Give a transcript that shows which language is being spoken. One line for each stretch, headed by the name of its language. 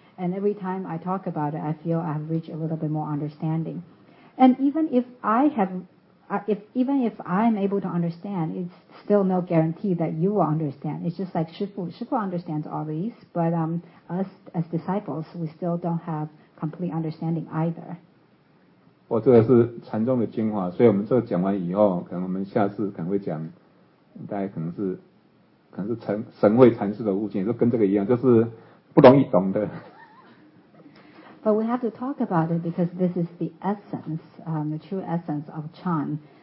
English: And every time I talk about it, I feel I've reached a little bit more understanding. And even if I have. Even if I'm able to understand, it's still no guarantee that you will understand. It's just like Shifu understands all these, but us as disciples, we still don't have complete understanding either.
Chinese: 我这个是禅宗的精华，所以我们这个讲完以后，可能我们下次可能会讲，大家可能是神慧禅师的悟性，就跟这个一样，就是不容易懂的。
English: But we have to talk about it because this is the essence, the true essence of Chan.